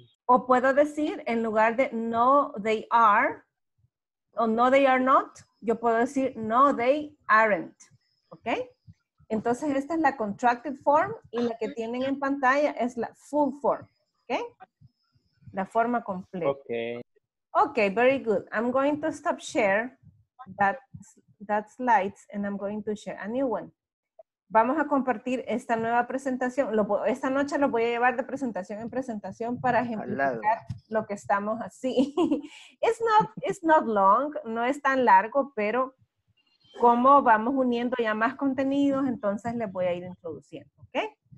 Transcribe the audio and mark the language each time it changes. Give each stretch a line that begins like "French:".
Spanish: O puedo decir, en lugar de
English: no, they are,
Spanish: o
English: no, they are not,
Spanish: yo puedo decir,
English: no, they aren't.
Spanish: ¿Ok? Entonces, esta es la contracted form y la que tienen en pantalla es la full form. ¿Ok? La forma completa. Ok.
English: Ok, very good. I'm going to stop share that slides and I'm going to share a new one.
Spanish: Vamos a compartir esta nueva presentación. Esta noche lo voy a llevar de presentación en presentación para ejemplificar lo que estamos así.
English: It's not long,
Spanish: no es tan largo, pero como vamos uniendo ya más contenidos, entonces les voy a ir introduciendo, ¿ok?